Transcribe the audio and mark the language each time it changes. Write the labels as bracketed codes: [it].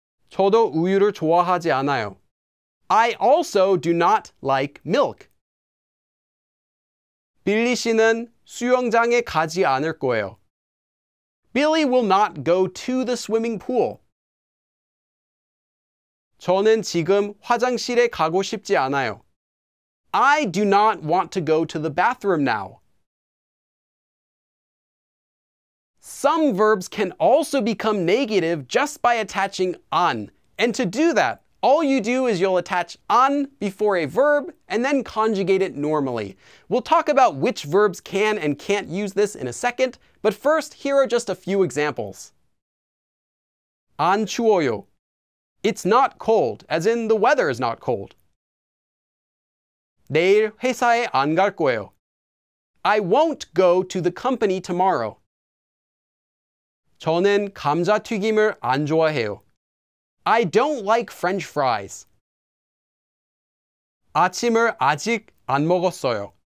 [ko] 저도 우유를 좋아하지 않아요. [en] I also do not like milk. [ko] 빌리 씨는 수영장에 가지 않을 거예요. [en] Billy will not go to the swimming pool. [ko] 저는 지금 화장실에 가고 싶지 않아요. [en] I do not want to go to the bathroom now. Some verbs can also become negative just by attaching 안. And to do that, all you do is you'll attach 안 before a verb and then conjugate it normally. We'll talk about which verbs can and can't use this in a second, but first, here are just a few examples. [ko] 안 추워요. [en] It's not cold, as in the weather is not cold. [ko] 내일 회사에 안 갈 거예요. [en] I won't go to the company tomorrow. [ko] 저는 감자튀김을 안 좋아해요. [en] I don't like French fries. [ko] 아침을 아직 안 먹었어요.